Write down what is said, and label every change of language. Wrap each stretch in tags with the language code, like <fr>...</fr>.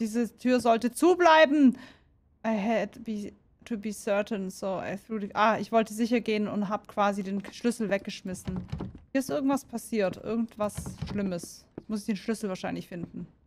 <de>Diese Tür sollte zubleiben.</de> <en>I had to be certain, so I threw the...</en> <de>Ah, ich wollte sicher gehen und habe quasi den Schlüssel weggeschmissen. Hier ist irgendwas passiert. Irgendwas Schlimmes. Jetzt muss ich den Schlüssel wahrscheinlich finden.</de>